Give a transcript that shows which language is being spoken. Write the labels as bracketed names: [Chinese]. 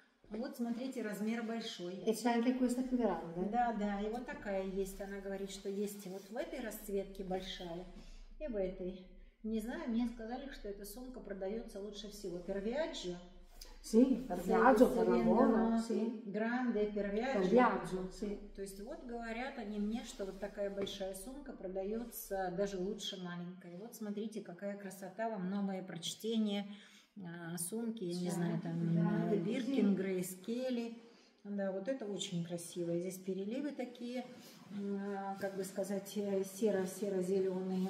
[Russian] Вот смотрите, размер большой. Да, да, и вот такая есть. Она говорит, что есть вот в этой расцветке большая и в этой. Не знаю, мне сказали, что эта сумка продается лучше всего. [Italian] Первиаджо. Sì, per viaggio, per lavoro, sì. Grande per viaggio. Per viaggio, sì. [Russian] То есть вот говорят они мне, что вот такая большая сумка продается даже лучше маленькой. Вот смотрите, какая красота, вам новое прочтение сумки, я не знаю, там Birkin, Grace Kelly. Да, вот это очень красиво. Здесь переливы такие, как бы сказать, серо-серо-зеленые.